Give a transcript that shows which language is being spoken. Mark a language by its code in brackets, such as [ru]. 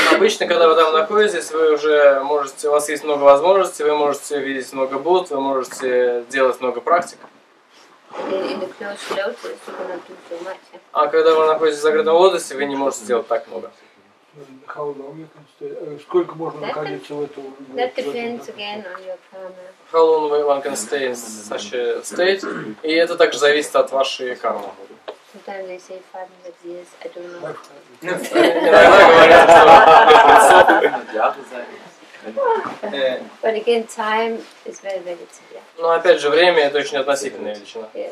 [ru] Обычно, когда вы там находитесь, вы уже можете. У вас есть много возможностей. Вы можете видеть много Будд. Вы можете делать много практик. [en] In the closed lotus, you cannot do so much. [ru] А когда вы находитесь в закрытом лотосе, вы не можете делать так много. [en] How long you can stay? [ru] Сколько можно находиться в этом? [en] That depends again on your karma. How long one can stay in such a state? [ru] И это также зависит от вашей кармы. [en] Sometimes they say 500 years. I don't know. But again, time is very relative. [ru] Но опять же, время это очень относительная величина.